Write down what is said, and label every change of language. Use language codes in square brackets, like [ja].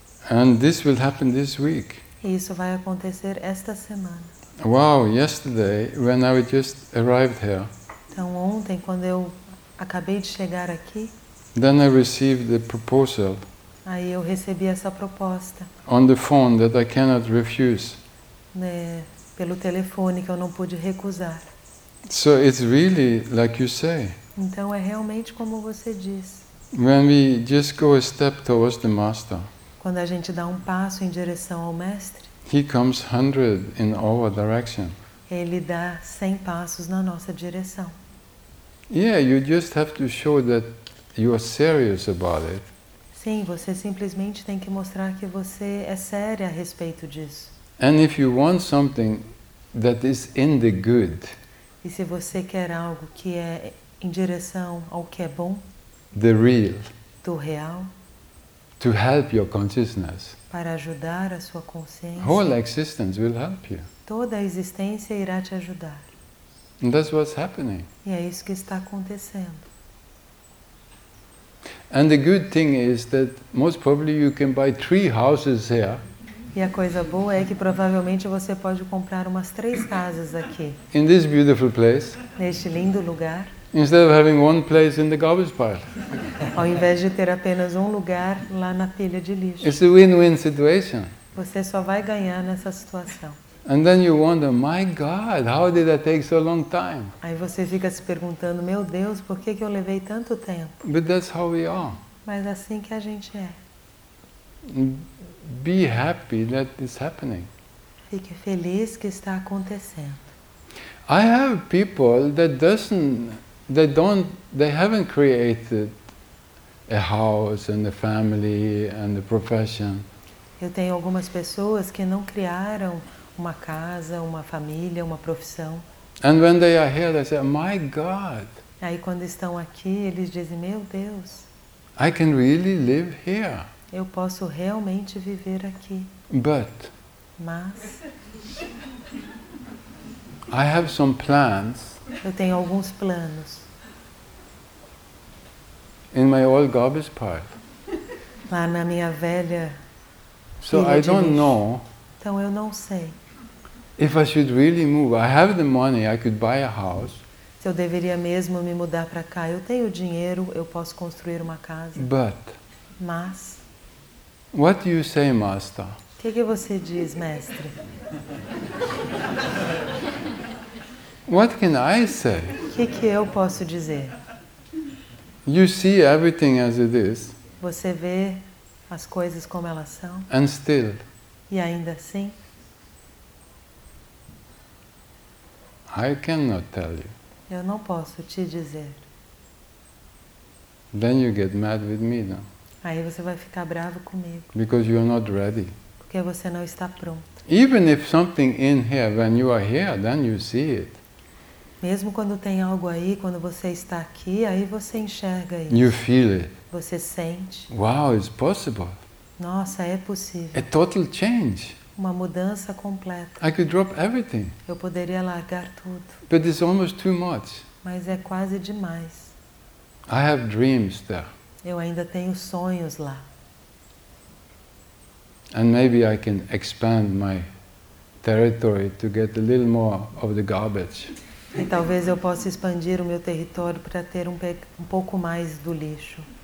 [en] And this will happen this week. [pt] E isso vai acontecer esta semana. [en] Wow, yesterday when I just arrived here. [pt] Então ontem quando eu acabei de chegar aqui. [en] Then I received the proposal. [pt] Aí eu recebi essa proposta. [en] On the phone that I cannot refuse. [pt] Né, pelo telefone que eu não pude recusar. [en] So it's really like you say. [pt] Então é realmente como você diz. [en] When we just go a step towards the master. [pt] Quando a gente dá um passo em direção ao mestre, [en] he comes 100 in our direction. [pt] Ele dá 100 passos na nossa direção. [en] Yeah, you just have to show that you are serious about it. [pt] Sim, você simplesmente tem que mostrar que você é séria a respeito disso. [en] And if you want something that is in the good, [pt] e se você quer algo que é em direção ao que é bom, [en] the real, [pt] do real, [en] to help your consciousness, [pt] para ajudar a sua consciência, [en] whole existence will help you. [pt] Toda a existência irá te ajudar. [en] And that's what's happening. [pt] E é isso que está acontecendo. [en] And the good thing is that most probably you can buy 3 houses here. [pt] E a coisa boa é que provavelmente você pode comprar umas 3 casas aqui. [en] In this beautiful place. [pt] Neste lindo lugar. [en] Instead of having one place in the garbage pile. [pt] Ao invés de ter apenas um lugar lá na pilha de lixo. [en] It's a win-win situation. [pt] Você só vai ganhar nessa situação. [en] And then you wonder, my God, how did that take so long time? [pt] Aí você fica se perguntando, meu Deus, por que que eu levei tanto tempo? [en] But that's how we are. [pt] Mas assim que a gente é. [en] Be happy that it's happening. [pt] Fique feliz que está acontecendo. [en] I have people they haven't created a house and a family and a profession. [pt] Eu tenho algumas pessoas que não criaram uma casa, uma família, uma profissão. [en] And when they are here, they say, "My God." [pt] Aí quando estão aqui, eles dizem, "Meu Deus." [en] I can really live here. [pt] Eu posso realmente viver aqui. [en] But. [pt] Mas. [en] I have some plans. [pt] Eu tenho alguns planos. [en] In my old garbage pile. [pt] Lá na minha velha. [en] So I don't know. [pt] Então eu não sei. [en] If I should really move, I have the money, I could buy a house. [pt] Se eu deveria mesmo me mudar para cá, eu tenho dinheiro, eu posso construir uma casa. [en] But. [pt] Mas. [en] What do you say, Master? [pt] O que que você diz, mestre? [en] What can I say? [pt] O que que eu posso dizer? [en] You see everything as it is. [pt] Você vê as coisas como elas são. [en] And still. [pt] E ainda assim. [en] I cannot tell you. [pt] Eu não posso te dizer. [en] Then you get mad with me, no? [pt] Aí você vai ficar bravo comigo. [en] Because you are not ready. [pt] Porque você não está pronto. [en] Even if something in here, when you are here, then you see it. [pt] Mesmo quando tem algo aí, quando você está aqui, aí você enxerga isso. [en] You feel it. [pt] Você sente. [en] Wow, it's possible. [pt] Nossa, é possível. [en] A total change. [pt] Uma mudança completa. [en] I could drop everything. [pt] Eu poderia largar tudo. [en] But it's almost too much. [pt] Mas é quase demais. [en] I have dreams there. [pt] Eu ainda tenho sonhos lá. [en] And maybe I can expand my territory to get a little more of the garbage. [pt] E talvez eu possa expandir o meu território para ter um pouco mais do lixo.